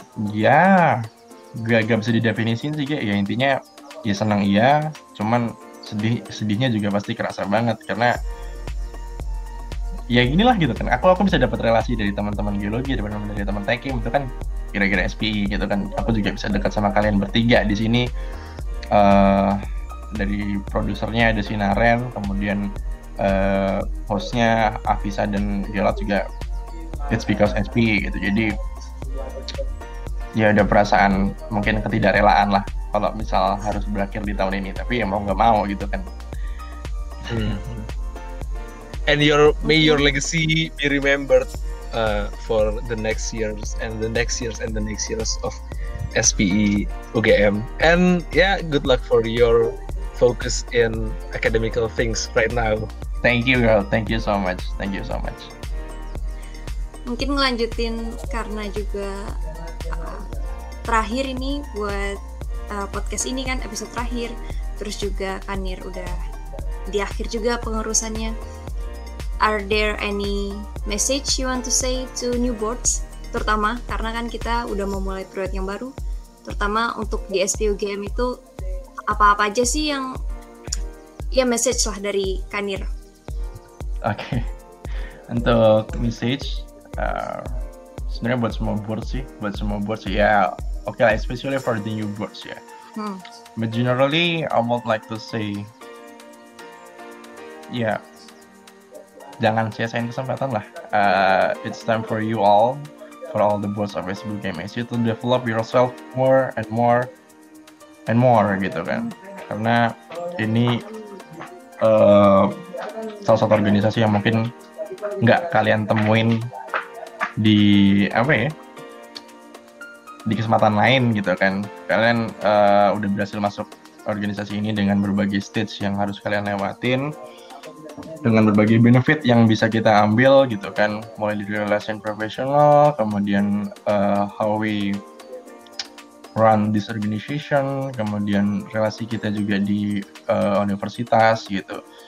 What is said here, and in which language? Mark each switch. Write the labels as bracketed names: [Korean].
[Indonesian] Ya gak bisa didefinisin sih, ya intinya ya senang iya, cuman sedihnya juga pasti kerasa banget karena ya inilah gitu kan, aku bisa dapat relasi dari teman-teman geologi, dari teman tekim itu kan kira-kira SPI gitu kan, aku juga bisa dekat sama kalian bertiga di sini, dari produsernya ada Sinaren, kemudian hostnya Avisa dan Gelat juga, [English] it's because [Indonesian] SPI gitu. Jadi ya ada perasaan mungkin ketidakrelaan lah kalau misal harus berakhir di tahun ini, tapi ya mau nggak mau gitu kan. [English] And may your legacy be remembered for the next years and the next years and the next years of SPE UGM. And yeah, good luck for your focus in academical things right now. Thank you, girl. Thank you so much. Thank you so much. [Indonesian] Mungkin ngelanjutin karena juga terakhir ini buat podcast ini kan, episode terakhir. Terus juga Kanir udah di akhir juga pengurusannya. [English] Are there any message you want to say to new boards? [Indonesian] Terutama karena kan kita udah mau mulai proyek yang baru. Terutama untuk di SPUGM itu, apa-apa aja sih yang ya message lah dari Kanir. Oke. Untuk message sebenarnya buat semua board sih, ya. [English] Okay, like especially for the new boards, yeah. But generally, I would like to say, yeah, [Indonesian] jangan sia-siain kesempatan lah. [English] It's time for you all for all the boards of SBU Games is to develop yourself more and more and more [Indonesian] gitu kan. Karena ini salah satu organisasi yang mungkin nggak kalian temuin di apa ya, di kesempatan lain gitu kan. Kalian udah berhasil masuk organisasi ini dengan berbagai stage yang harus kalian lewatin, dengan berbagai benefit yang bisa kita ambil gitu kan, mulai dari relation professional, kemudian [English] how we run this organization, [Indonesian] kemudian relasi kita juga di universitas gitu.